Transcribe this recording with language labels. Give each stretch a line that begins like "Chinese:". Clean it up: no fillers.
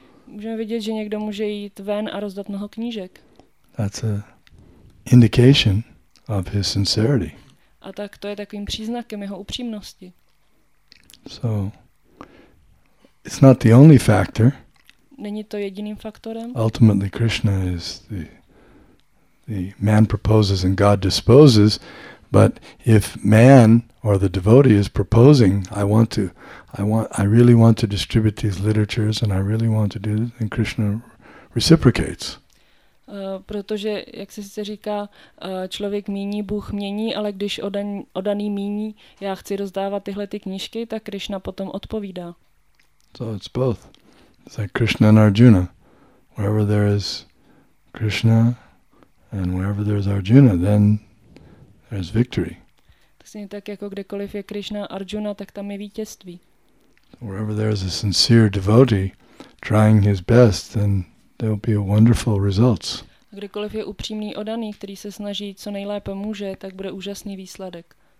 Czech: Můžeme vidět, že někdo může jít ven a rozdat mnoho knížek.
English: That's an indication of his sincerity.
Czech: A tak to je takovým příznakem jeho upřímnosti.
English: So, it's not the only factor.
Czech: Není to jediným faktorem.
English: Ultimately, Krishna is the man proposes and God disposes, but if man or the devotee is proposing, I really want to distribute these literatures and I really want to do this, then Krishna reciprocates.
Czech: Protože, jak se sice říká, člověk míní, Bůh mění, ale když odaný míní, já chci rozdávat tyhle ty knížky, tak Krishna potom odpovídá.
English: So it's both. It's like Krishna and Arjuna. Wherever there is Krishna and wherever there's Arjuna, then there's victory.
Czech: Stejně tak jako kdekoliv je Krishna Arjuna, tak tam je vítězství.
English: Wherever there is a sincere devotee trying his best, then there will be a wonderful results.
Czech: Kdekoliv je upřímný odaný, který se snaží co nejlépe může, tak bude úžasný výsledek.